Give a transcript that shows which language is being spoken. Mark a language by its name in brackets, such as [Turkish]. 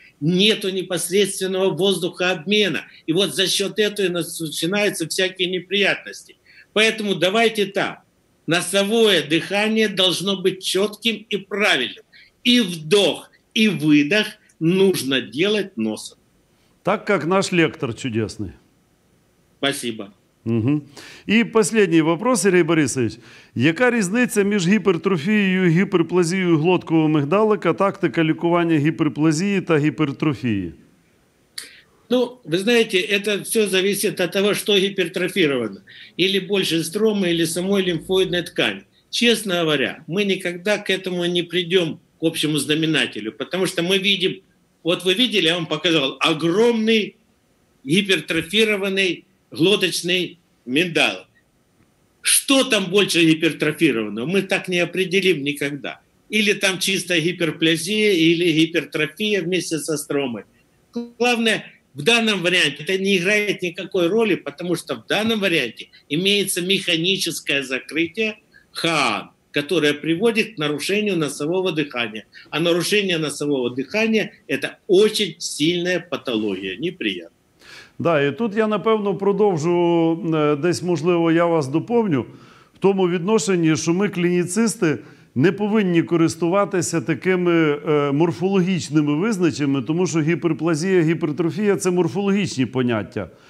[Russian] Нету непосредственного воздухообмена. И вот за счет этого начинаются всякие неприятности. Поэтому давайте так. Носовое дыхание должно быть четким и правильным. И вдох, и выдох нужно делать носом. Так, как наш лектор чудесный. Спасибо. Угу. И последний вопрос, Сергій Борисович. [Ukrainian] Яка різниця між гіпертрофією і гіперплазією глоткового мигдалика, тактика лікування гіперплазії та гіпертрофії? Ну, ви знаєте, це все залежить від того, що гіпертрофіровано. Або більше строми, або самої лімфоїдної ткані. Чесно говоря, ми ніколи [Russian] к этому [Ukrainian] не прийдемо, [Russian] к общему знаменателю, [Ukrainian] тому що ми бачимо, от ви бачили, я вам показував, огромний гіпертрофірований глоточный миндал. [Russian] Что там больше гипертрофировано? Мы так не определим никогда. Или там чистая гиперплазия, или гипертрофия вместе со стромой. Главное, в данном варианте это не играет никакой роли, потому что в данном варианте имеется механическое закрытие ХААН, которое приводит к нарушению носового дыхания. А нарушение носового дыхания – это очень сильная патология, неприятная. [Ukrainian] Да, і тут я, напевно, продовжу, десь, можливо, я вас доповню, в тому відношенні, що ми, клініцисти, не повинні користуватися такими морфологічними визначеннями, тому що гіперплазія, гіпертрофія – це морфологічні поняття.